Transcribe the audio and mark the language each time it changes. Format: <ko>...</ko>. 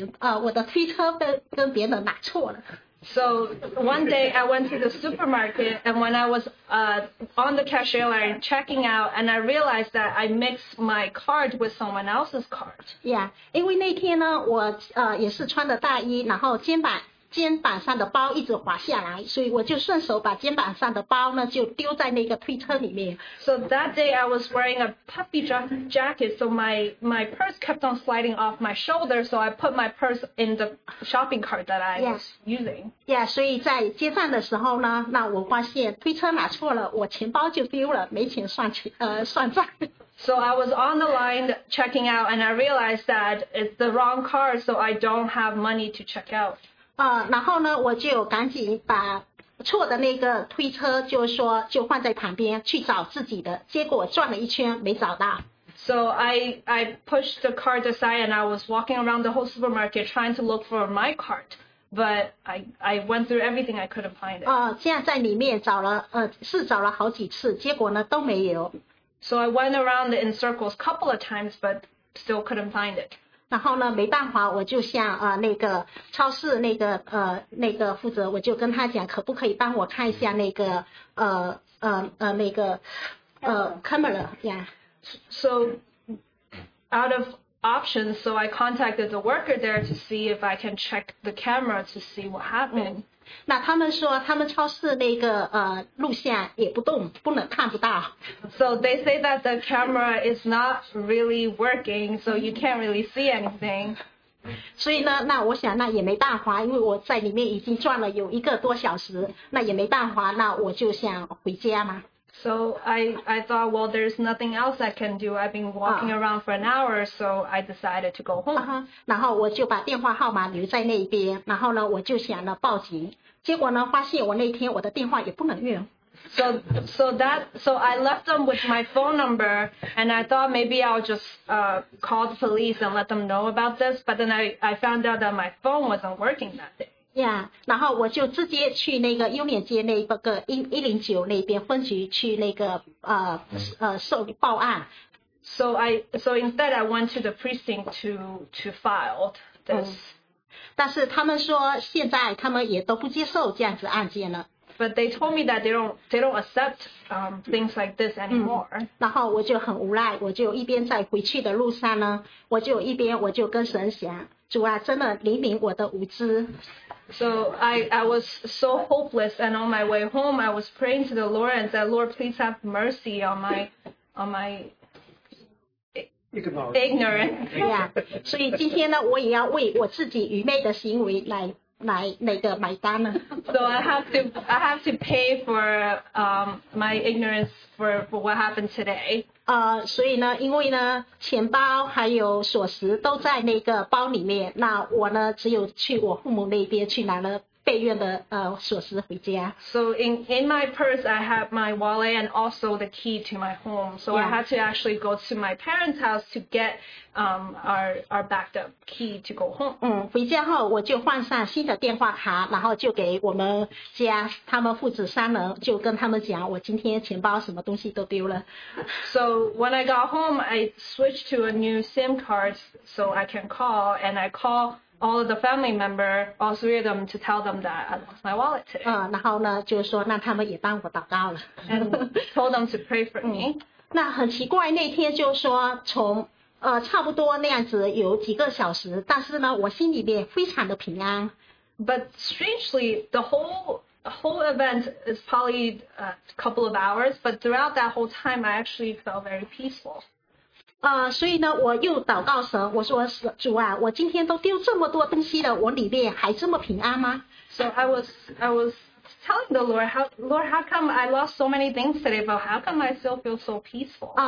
<zh>那天就说我像平常那样子去免街的超市一间，然后呢算准备算钱的时候呢，发现我的推车跟别人拿错了。</zh> <en>So one day I went to the supermarket and when I was on the cashier line checking out and I realized that I mixed my card with someone else's card.</en> <zh>Yeah, 因为那天呢，我也是穿着大衣，然后肩膀上的包一直滑下来，所以我就顺手把肩膀上的包呢就丢在那个推车里面。</zh> <en>So that day I was wearing a puffy jacket, so my purse kept on sliding off my shoulder, so I put my purse in the shopping cart that I was using.</en> <zh>Yeah, 所以在结账的时候呢，那我发现推车拿错了，我钱包就丢了，没钱算账。</zh> <en>So I was on the line checking out, and I realized that it's the wrong car, so I don't have money to check out.</en> <zh>然后呢，我就赶紧把错的那个推车，就说就放在旁边去找自己的。结果转了一圈没找到。</zh> <en>So I pushed the cart aside, and I was walking around the whole supermarket trying to look for my cart, but I went through everything, I couldn't find it.</en> <zh>现在在里面找了，是找了好几次，结果呢都没有。</zh> <en>So I went around in circles a couple of times, but still couldn't find it.</en> <zh>然后呢，没办法，我就向那个超市那个负责，我就跟他讲，可不可以帮我看一下那个camera， yeah.</zh> <en>So out of options, so I contacted the worker there to see if I can check the camera to see what happened.</en> <zh>那他们说他们超市那个录像也不动，不能看不到。</zh> <en>So they say that the camera is not really working, so you can't really see anything.</en> <zh>所以呢，那我想那也没办法，因为我在里面已经转了有一个多小时，那也没办法，那我就想回家嘛。</zh> <en>So I thought, well, there's nothing else I can do. I've been walking around for an hour, so I decided to go home.</en> <zh>然后我就把电话号码留在那边，然后呢，我就想了报警。结果呢，发现我那天我的电话也不能用。</zh> <en>So I left them with my phone number, and I thought maybe I'll just call the police and let them know about this. But then I found out that my phone wasn't working that day.</en> <zh>Yeah, 然后我就直接去那个优免街那个109那边分局去那个受报案。</zh> <en>So instead I went to the precinct to file this.</en> <zh>但是他们说现在他们也都不接受这样子案件了。</zh> <en>But they told me that they don't accept things like this anymore.</en> <zh>然后我就很无奈，我就一边在回去的路上呢，我就一边我就跟神想，主啊，真的怜悯我的无知。</zh> <en>So I was so hopeless, and on my way home, I was praying to the Lord and said, Lord, please have mercy on my ignorance. Yeah.</en> <zh>所以今天呢，我也要为我自己愚昧的行为来那个买单呢。</zh> <en>So I have to pay for my ignorance for what happened today.</en> <zh>所以呢，因为呢，钱包还有锁匙都在那个包里面，那我呢，只有去我父母那边去拿了备用的锁匙回家。</zh> <en>So in my purse, I have my wallet and also the key to my home. So I had to actually go to my parents' house to get our backed up key to go home.</en> <zh>回家后我就换上新的电话卡，然后就给我们家他们父子三人，就跟他们讲我今天钱包什么东西都丢了。</zh> <en>So when I got home, I switched to a new SIM card so I can call, and I call all of the family member, all three of them, to tell them that I lost my wallet today.</en> <zh>然后呢，就说让他们也帮我祷告了。</zh> <en>And told them to pray for me.</en> <zh>那很奇怪，那天就说从差不多那样子有几个小时，但是呢，我心里面非常的平安。</zh> <en>But strangely, the whole event is probably a couple of hours, but throughout that whole time, I actually felt very peaceful.</en> <zh>所以呢，我又祷告神，我说主啊，我今天都丢这么多东西了，我里面还这么平安吗</zh> <en>？So I was telling the Lord, Lord, how come I lost so many things today, but how come I still feel so peaceful?</en>